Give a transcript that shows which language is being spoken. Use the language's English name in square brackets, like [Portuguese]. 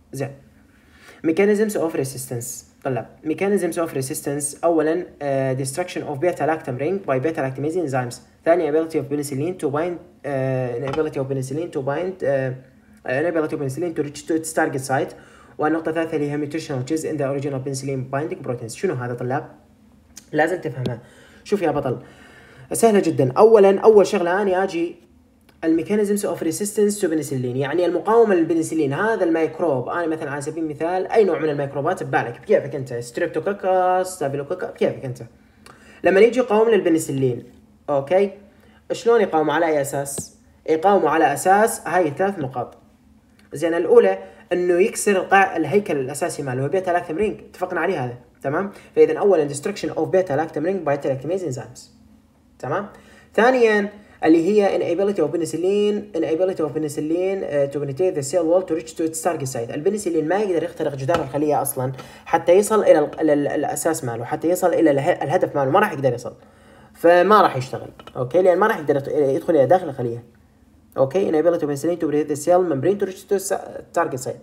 [English] زين mechanisms of resistance. طلب mechanisms of resistance. أولا destruction of beta lactam ring by beta lactamase enzymes. ثانية ability of penicillin to bind inability of penicillin to bind inability of penicillin to reach to its target site. [Arabic] والنقطة الثالثة اللي هي [English] mutational changes in the original penicillin binding proteins. [Arabic] شنو هذا طلاب؟ لازم تفهمها. شوف يا بطل سهلة جدا. أولا أول شغلة أنا أجي [English] الميكانيزمز of resistance to penicillin [Arabic] يعني المقاومه للبنسلين هذا الميكروب. انا مثلا على سبيل المثال اي نوع من الميكروبات ببالك بكيفك انت ستريبتوكوكس ستافيلوكوكس بكيفك انت لما يجي يقاوم للبنسلين اوكي شلون يقاوم على اي اساس؟ يقاوم على اساس هاي الثلاث نقاط زين. الاولى انه يكسر القاع الهيكل الاساسي ماله هو بيتا لاكتام رينج اتفقنا عليه هذا تمام. فاذا اولا [English] Destruction of beta lactam ring by lactamase enzymes تمام. [Arabic] ثانيا اللي هي [English] inability of penicillin inability of penicillin to penetrate the cell wall to reach to its target site. [Arabic] البنسلين ما يقدر يخترق جدار الخلية أصلا حتى يصل إلى الأساس ماله حتى يصل إلى الهدف ماله ما راح يقدر يصل فما راح يشتغل أوكي لأن ما راح يقدر يدخل إلى داخل الخلية أوكي. [English] inability of penicillin to penetrate the cell membrane to reach to its target site.